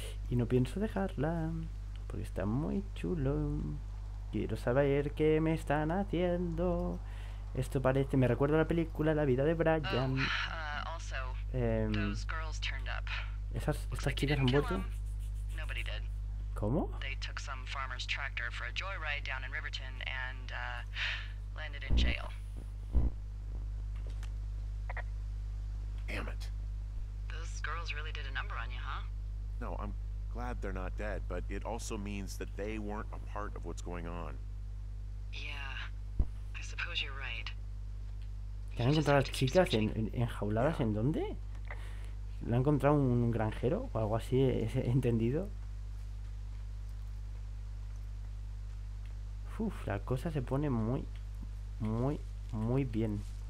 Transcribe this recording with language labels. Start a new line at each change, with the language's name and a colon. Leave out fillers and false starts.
Spanish: Y no pienso dejarla. Porque está muy chulo. Quiero saber qué me están haciendo. Esto parece, me recuerda a la película La vida de Brian.
English: Those girls turned up.
Spanish: Estas chicas han vuelto.
English: Nobody did.
Spanish: ¿Cómo?
English: They took some farmer's tractor for a joyride down in Riverton and landed in jail. Damn it. Those girls really did a number on you, huh? No, I'm glad they're not dead, but it also means that they weren't a part of what's going on. Yeah, I suppose you're right.
Spanish: ¿Han encontrado a las chicas enjauladas en dónde? ¿La ha encontrado un granjero o algo así? ¿He entendido? Uf, la cosa se pone muy, muy, muy bien.